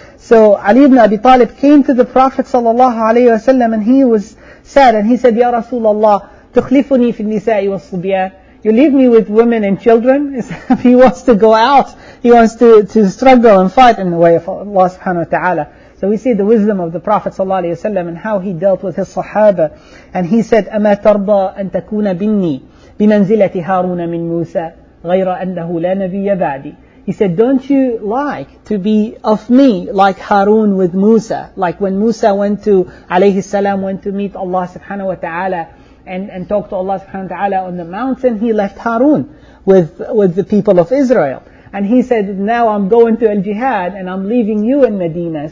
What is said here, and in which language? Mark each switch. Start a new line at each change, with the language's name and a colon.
English: So Ali ibn Abi Talib came to the Prophet sallallahu alaihi wasallam, and he was sad, and he said, "Ya Rasulullah,
Arabic: tukhlifuni fi nisa'i wa subyan."
English: You leave me with women and children? He wants to go out. He wants to struggle and fight in the way of Allah subhanahu wa ta'ala. So we see the wisdom of the Prophet sallallahu alaihi wasallam and how he dealt with his sahaba. And he said,
Arabic: "أما ترضى أن تكون بني بمنزلة هارون من موسى غير أنه لا نبي بعدي."
English: He said, "Don't you like to be of me like Harun with Musa, like when Musa went to alayhi salam, went to meet Allah subhanahu wa ta'ala and talked to Allah subhanahu wa ta'ala on the mountain? He left Harun with the people of Israel." And he said, "Now I'm going to Al-Jihad and I'm leaving you in Medina.